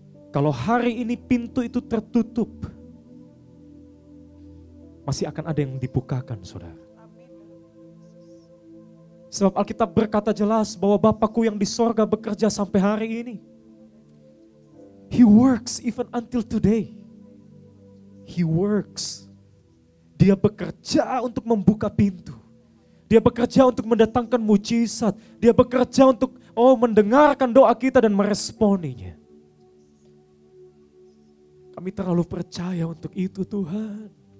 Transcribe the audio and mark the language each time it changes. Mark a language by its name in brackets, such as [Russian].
[Indonesian] Kalau hari ini pintu itu tertutup, masih akan ada yang dibukakan, saudara. Sebab Alkitab berkata jelas bahwa Bapa-Ku yang di sorga bekerja sampai hari ini. [English] He works even until today. He works. [Indonesian] Dia bekerja untuk membuka pintu. Dia bekerja untuk mendatangkan mujizat. Dia bekerja untuk mendengarkan doa kita dan meresponinya. Kami terlalu percaya untuk itu, Tuhan.